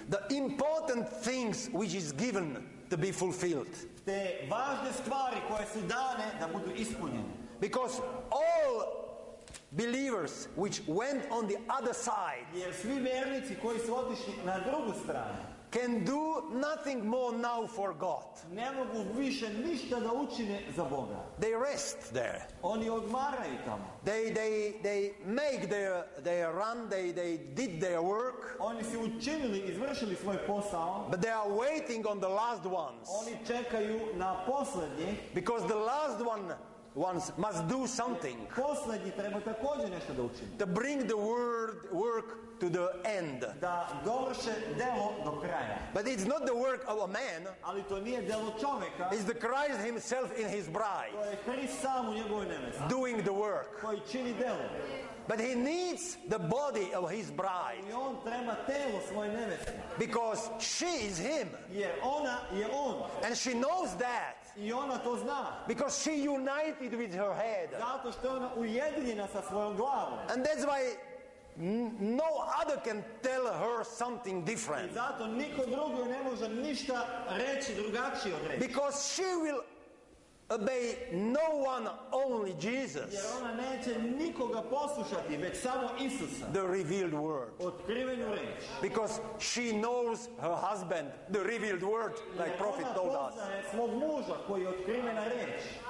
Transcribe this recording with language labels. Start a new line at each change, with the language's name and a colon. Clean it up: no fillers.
English: the important things which is given to be fulfilled.
Serbian: Te važne stvari koje su dane da budu ispunjene.
English: Because all believers which went on the other side,
Serbian: jer svi vernici koji su otišli na drugu stranu,
English: can do nothing more now for God.
Serbian: Ne mogu više ništa da učine za Boga.
English: They rest there.
Serbian: Oni odmaraju tamo.
English: They make their run, they did their work.
Serbian: Oni su učinili, izvršili svoj posao.
English: But they are waiting on the last ones.
Serbian: Oni čekaju na posljednje.
English: Because the last ones must do something.
Serbian: Posljednji treba također nešto da učini.
English: To bring the work to the end.
Serbian: Da dovrše delo do kraja.
English: But it's not the work of a man.
Serbian: Ali to nije delo čovjeka.
English: It's the Christ himself in his bride.
Serbian: To je Krist sam u njegovoj nevesti.
English: Doing the work.
Serbian: Koji čini delo.
English: But he needs the body of his bride.
Serbian: I on treba telo svoje nevesti.
English: Because she is him.
Serbian: Jer ona je on.
English: And she knows that.
Serbian: I ona to zna.
English: Because she united with her head.
Serbian: Zato što ona ujedinjena sa svojom glavom.
English: And that's why no other can tell her something different.
Serbian: Zato niko drugi ne može ništa reći drugačije od reči.
English: Because she will obey no one, only Jesus.
Serbian: Jer ona neće nikoga poslušati, već samo Isusa.
English: The revealed word.
Serbian: Otkrivenu reč.
English: Because she knows her husband, the revealed word, like prophet told us.
Serbian: Ona poznaje svog muža koji je otkrivena reč.